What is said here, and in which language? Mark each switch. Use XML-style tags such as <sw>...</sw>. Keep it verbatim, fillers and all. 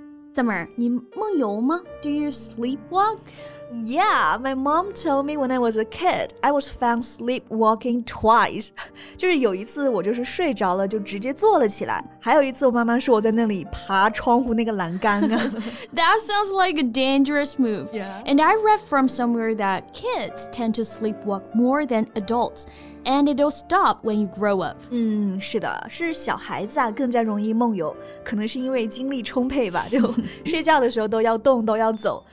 <zh>Summer, 你梦游吗?</zh> <en>Do you sleepwalk? Yeah, my mom told me when I was a kid, I was found sleepwalking twice.</en> <zh>就是有一次我就是睡着了就直接坐了起来。还有一次我妈妈说我在那里爬窗户那个栏杆啊。</zh> <en>That sounds like a dangerous move. Yeah. And I read from somewhere that kids tend to sleepwalk more than adults, and it'll stop when you grow up.</en> <zh>嗯，是的，是小孩子啊更加容易梦游，可能是因为精力充沛吧，就睡觉的时候都要动都要走。</zh>